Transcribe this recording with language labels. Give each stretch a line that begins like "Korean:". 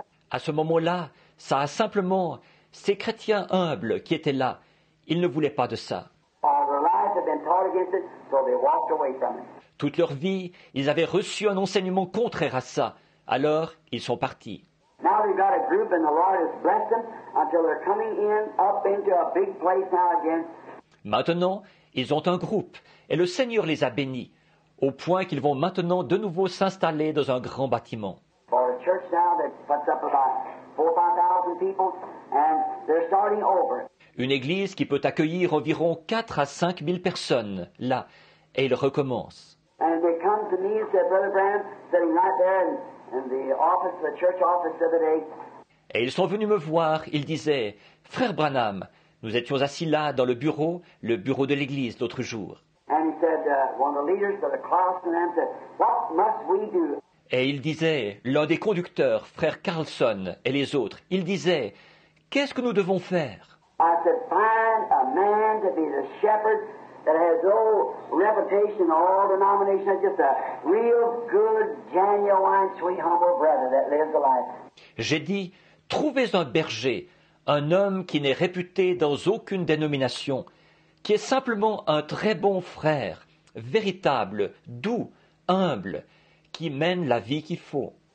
French: À ce moment-là, ça a simplement ces chrétiens humbles qui étaient là. Ils ne voulaient pas de ça.
English: Or it, so they walked away from it.
French: Toute leur vie, ils avaient reçu un enseignement contraire à ça. Alors, ils sont partis.
English: Now they've got a group and the Lord has blessed them until they're coming in up into a big place now again.
French: Maintenant, ils ont un groupe et le Seigneur les a bénis au point qu'ils vont maintenant de nouveau s'installer dans un grand bâtiment.
English: For a church now that puts up about 4,000 people and they're starting over.
French: Une église qui peut accueillir environ 4 à 5 000 personnes, là, et ils recommencent.
English: And they come to me and said, Brother Branham, sitting right there in the office, the church office the other day.
French: Et ils sont venus me voir, ils disaient, Frère Branham, nous étions assis là dans le bureau de l'église l'autre jour.
English: And he said, one of the leaders of the class and them said, what must we do?
French: Et il disait, l'un des conducteurs, frère Carlson, et les autres, il disait, qu'est-ce que nous devons faire?
English: I said, find a man to be the shepherd that has no reputation in all denominations, just a real good, genuine, sweet, humble brother that lives a life.
French: J'ai dit, trouvez un berger, un homme qui n'est réputé dans aucune dénomination, qui est simplement un très bon frère, véritable, doux, humble, qui mène la vie qu'il faut.